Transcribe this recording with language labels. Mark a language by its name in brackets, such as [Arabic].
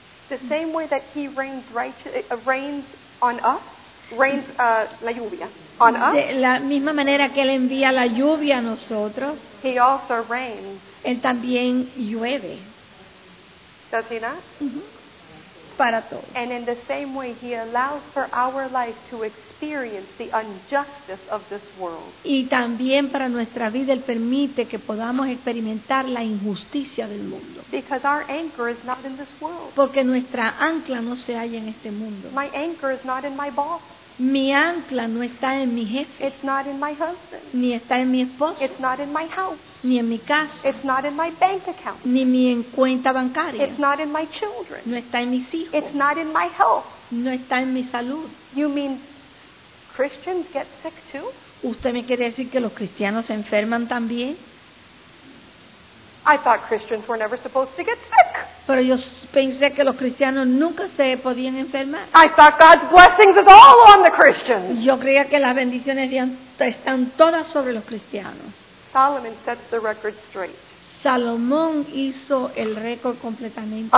[English] The same way that he rains rains on us, rains [Spanish] la lluvia [English] on us. [Spanish] De la misma manera que él envía la lluvia a nosotros. [English] He also rains. [Spanish] Él también llueve. [English] Does he not? [Spanish] Mm-hmm. Para todos. [English] And in the same way, he allows for our life to experience the injustice of this world. [Spanish] Y también para nuestra vida él permite que podamos experimentar la injusticia del mundo. [English] Because our anchor is not in this world. [Spanish] Porque nuestra ancla no se halla en este mundo. [English] My anchor is not in my boss. [Spanish] Mi ancla no está en mi jefe. [English] It's not in my husband. [Spanish] Ni está en mi esposo. [English] It's not in my house. [Spanish] Ni en mi casa. [English] It's not in my bank account. [Spanish] Ni mi en cuenta bancaria. [English] It's not in my children. [Spanish] No está en mis hijos. [English] It's not in my health. [Spanish] No está en mi salud. [English] You mean Christians get sick too? [Spanish] ¿Usted me quiere decir que los cristianos se enferman también? [English] I thought Christians were never supposed to get sick. [Spanish] Pero yo pensé que los cristianos nunca se podían enfermar. [English] I thought God's blessings is all on the Christians. [Spanish] Yo creía que las bendiciones están todas sobre los cristianos. [English] Solomon sets the record straight. [Spanish] Salomón hizo el récord completamente.